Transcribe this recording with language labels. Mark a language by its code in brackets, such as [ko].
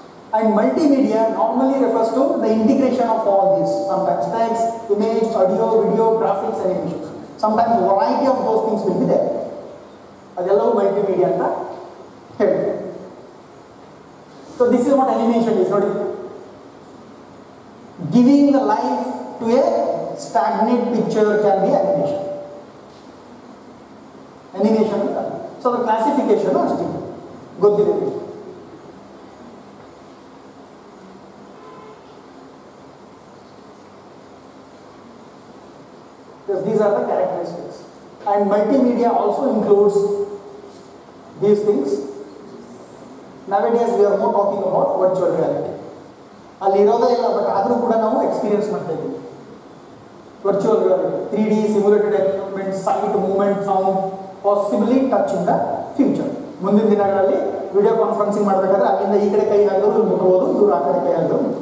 [en] and multimedia normally refers to the integration of all these sometimes text image audio video graphics and image sometimes variety of those things [kn] ಬಂದಿದೆ ಅದೆಲ್ಲವೂ multimedia ಅಂತ ಹೇಳಿ [en] So this is what animation is ನೋಡಿ giving the life to a stagnant picture can be animation. Animation. So the classification of stimuli. Good. Because these are the characteristics. And multimedia also includes these things. Nowadays we are more talking about virtual reality. [kn] ಅಲ್ಲಿರೋದೇ ಇಲ್ಲ but ಆದರೂ ಕೂಡ ನಾವು experience ಮಾಡ್ತಾ ಇದ್ದೀವಿ virtual reality [en] 3D simulated environment sight movement sound possibly touch in the future [kn] ಮುಂದಿನ ದಿನಗಳಲ್ಲಿ video conferencing ಮಾಡಬೇಕಾದ್ರೆ ಅಲ್ಲಿಂದ ಈ ಕಡೆ ಕೈ ಆಗಲು ಮುಟ್ಟಬಹುದು ಇವರು ಆ ಕಡೆ ಕೈ ಆಗಲು